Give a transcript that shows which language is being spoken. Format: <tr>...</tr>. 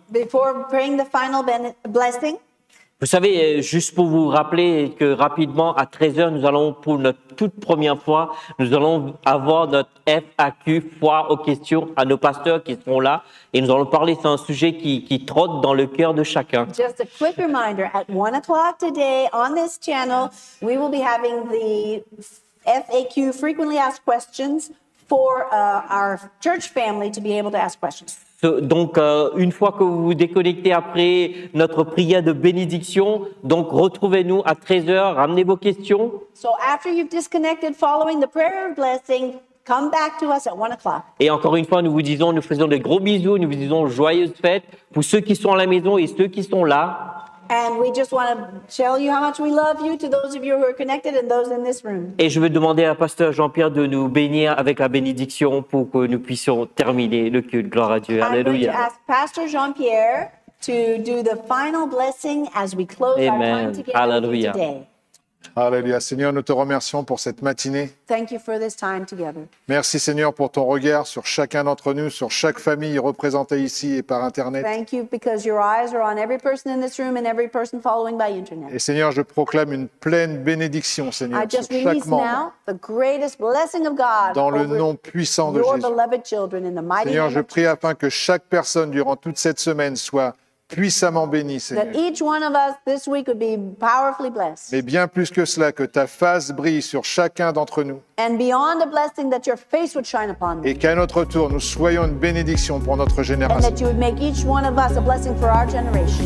<en>Before praying the final blessing.</en> <fr>Vous savez, juste pour vous rappeler que rapidement, à 13h, nous allons, pour notre toute première fois, nous allons avoir notre FAQ, foi aux questions, à nos pasteurs qui seront là. Et nous allons parler, c'est un sujet qui trotte dans le cœur de chacun.</fr> <en>Just a quick reminder, at 1 o'clock today, on this channel, we will be having the FAQ, frequently asked questions, for our church family to be able to ask questions.</en> <fr>Donc, une fois que vous vous déconnectez après notre prière de bénédiction, donc retrouvez-nous à 13h, ramenez vos questions.</fr> <en>So after you've disconnected following the prayer of blessing, come back to us at 1 o'clock.</en> <fr>Et encore une fois, nous faisons des gros bisous, nous vous disons joyeuses fêtes pour ceux qui sont à la maison et ceux qui sont là.</fr> <en>And we just want to tell you how much we love you to those of you who are connected and those in this room.</en> <fr>Et je veux demander à Pasteur Jean-Pierre de nous bénir avec la bénédiction pour que nous puissions terminer le culte. Gloire à Dieu. Alléluia.</fr> <en>I'm going to ask Pastor Jean-Pierre to do the final blessing as we close Amen. Our time together</en> <fr>Alléluia.</fr> <en>Today.</en> <fr>Alléluia. Seigneur, nous te remercions pour cette matinée.</fr> <en>Thank you for this time together.</en> <fr>Merci Seigneur pour ton regard sur chacun d'entre nous, sur chaque famille représentée ici et par Internet.</fr> <en>Thank you because your eyes are on every person in this room and every person following by Internet.</en> <fr>Et Seigneur, je proclame une pleine bénédiction, Seigneur, sur chaque membre.</fr> <en>I just release now the greatest blessing of God</en> <fr>dans le nom puissant de Jésus. Seigneur, je prie afin que chaque personne durant toute cette semaine soit puissamment béni, Seigneur.</fr> <en>That each one of us this week would be powerfully blessed.</en> <fr>Mais bien plus que cela, que ta face brille sur chacun d'entre nous.</fr> <en>And beyond the blessing that your face would shine upon them.</en> <fr>Et qu'à notre tour, nous soyons une bénédiction pour notre génération.</fr> <en>And that you would make each one of us a blessing for our generation.</en>